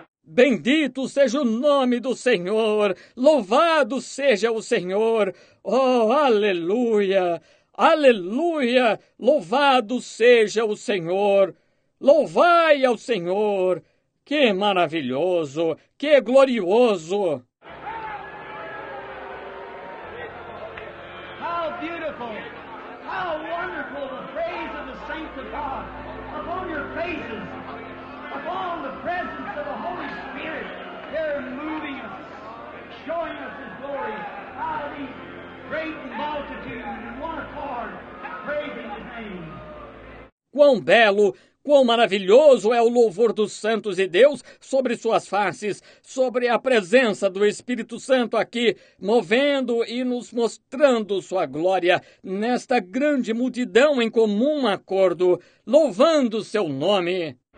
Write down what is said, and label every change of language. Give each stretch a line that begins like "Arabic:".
Portuguese: Bendito seja o nome do Senhor, louvado seja o Senhor. Oh, aleluia, aleluia, louvado seja o Senhor. Louvai ao Senhor, que maravilhoso, que glorioso.
English: How beautiful, how wonderful the praise of the saints of God upon your faces. Upon the presence of the Holy Spirit, they're moving us, showing us His glory. How these great multitudes in one accord, praising His name.
Portuguese: Quão belo, quão maravilhoso é o louvor dos santos e Deus sobre suas faces, sobre a presença do Espírito Santo aqui, movendo e nos mostrando sua glória nesta grande multidão em comum acordo, louvando seu nome.